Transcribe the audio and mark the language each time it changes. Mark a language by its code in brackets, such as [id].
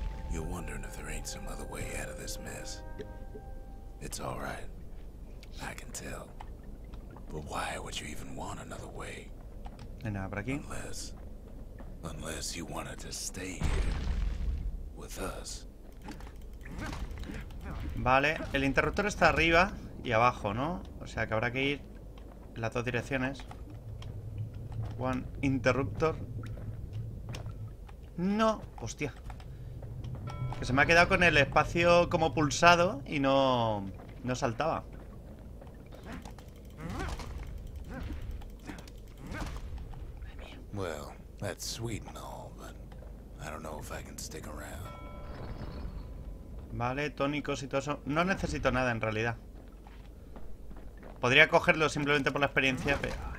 [en] You're wondering if there ain't some other way out of this mess. It's all right. I can tell. But why would you even want another way? [es] Nada, por aquí. [en] Unless you wanted to stay here with us. [es] Vale, el interruptor está arriba y abajo, ¿no? O sea que habrá que ir en las dos direcciones. One interruptor. No, hostia. Que se me ha quedado con el espacio como pulsado y no saltaba. [en] Well, that's sweet and all, but I don't know if I can stick around. [es] Vale, tónicos y todo eso. No necesito nada en realidad. Podría cogerlo simplemente por la experiencia, pero...